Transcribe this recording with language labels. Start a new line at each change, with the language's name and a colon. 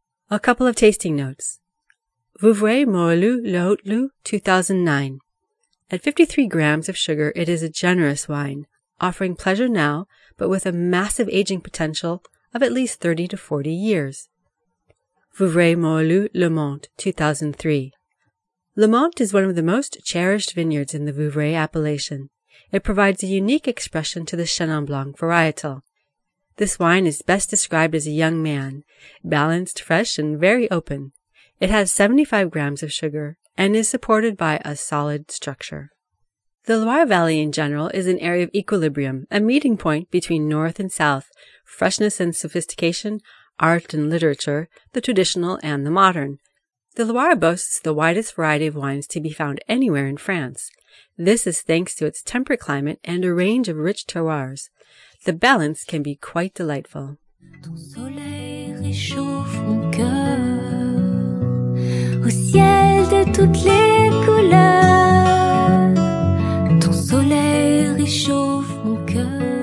English: A couple of tasting notes. Vouvray Morelu Le Haute Lou 2009. At 53 grams of sugar, it is a generous wine, offering pleasure now, but with a massive aging potential of at least 30 to 40 years. Vouvray Morelu Le Monde 2003. Le Monde is one of the most cherished vineyards in the Vouvray appellation. It provides a unique expression to the Chenin Blanc varietal. This wine is best described as a young man, balanced, fresh, and very open. It has 75 grams of sugar and is supported by a solid structure. The Loire Valley in general is an area of equilibrium, a meeting point between north and south, freshness and sophistication, art and literature, the traditional and the modern. The Loire boasts the widest variety of wines to be found anywhere in France. This is thanks to its temperate climate and a range of rich terroirs. The balance can be quite delightful.
French: Ton soleil réchauffe mon cœur au ciel de toutes les couleurs. Ton soleil réchauffe mon cœur.